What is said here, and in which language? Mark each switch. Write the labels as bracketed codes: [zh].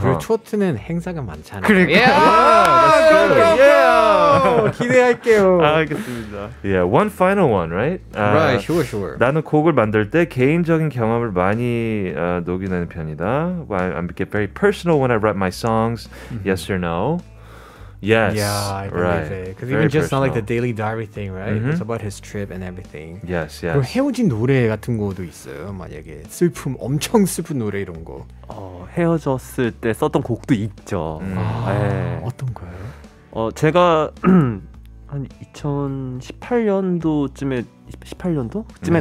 [ko] 그리고 트로트는 행사가 많잖아요. 그러니까. [en] Yeah, yeah, go, go, go. Yeah. [ko] 기대할게요. 알겠습니다. [en] Yeah, one final one, right? Right, sure, sure. [ko] 나는 곡을 만들 때 개인적인 경험을 많이 녹여내는 편이다. [en] I get very personal when I write my songs. Mm-hmm. Yes or no? Yes. Yeah, I believe right. it. Because even just personal. Not like the daily diary thing, right? Mm-hmm. It's about his trip and everything. Yes, yes. [ko] 그럼 헤어진 노래 같은 것도 있어요. 만약에 슬픔, 엄청 슬픈 노래 이런 거. 헤어졌을 때 썼던 곡도 있죠. 네. 어떤 거예요? 제가 한 2018년도쯤에 18년도쯤에 네.